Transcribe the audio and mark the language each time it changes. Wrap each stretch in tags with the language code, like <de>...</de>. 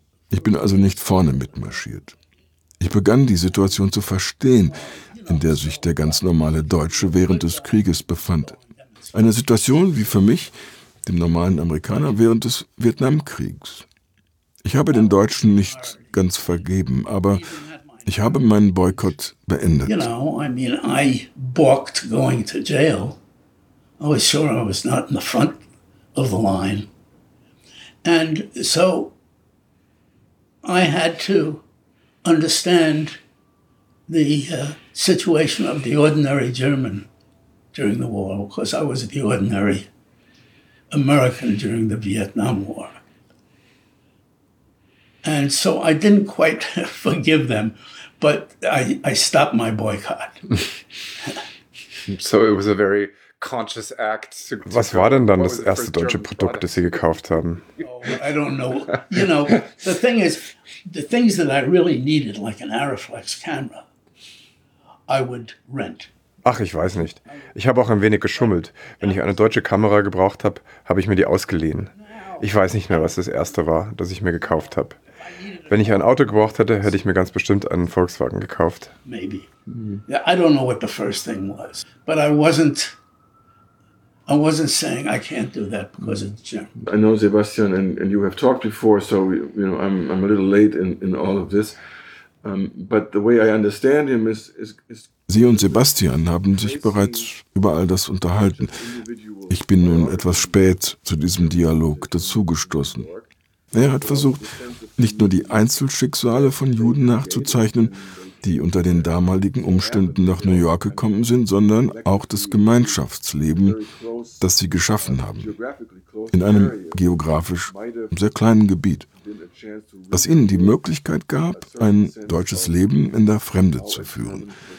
<de>Ich bin also nicht vorne mitmarschiert. Ich begann die Situation zu verstehen, in der sich der ganz normale Deutsche während des Krieges befand. Eine Situation wie für mich, dem normalen Amerikaner, während des Vietnamkriegs. Ich habe den Deutschen nicht ganz vergeben, aber ich habe meinen Boykott beendet.</de> <en>You know, I mean, I balked going to jail. I was sure I was not in the front of the line. And so I had to understand the situation of the ordinary German during the war, because I was the ordinary American during the Vietnam War. And so I didn't quite forgive them, but I stopped my boycott. So it was a very conscious act.</en> <de>Was war denn dann das erste deutsche Produkt, das Sie gekauft haben?</de> <en>Oh, I don't know. You know, the thing is, the things that I really needed, like an Arriflex camera, I would rent.</en> <de>Ach, ich weiß nicht. Ich habe auch ein wenig geschummelt. Wenn ich eine deutsche Kamera gebraucht habe, habe ich mir die ausgeliehen. Ich weiß nicht mehr, was das erste war, das ich mir gekauft habe. Wenn ich ein Auto gebraucht hätte, hätte ich mir ganz bestimmt einen Volkswagen gekauft.</de> <en>Maybe. Yeah, I don't know what the first thing was. But I wasn't saying I can't do that because it's German. I know, Sebastian, and you have talked before, so you know I'm a little late in all of this. But the way I understand him is</en> <de>Sie und Sebastian haben sich bereits über all das unterhalten. Ich bin nun etwas spät zu diesem Dialog dazugestoßen. Er hat versucht, nicht nur die Einzelschicksale von Juden nachzuzeichnen, die unter den damaligen Umständen nach New York gekommen sind, sondern auch das Gemeinschaftsleben, das sie geschaffen haben, in einem geografisch sehr kleinen Gebiet, das ihnen die Möglichkeit gab, ein deutsches Leben in der Fremde zu führen.</de>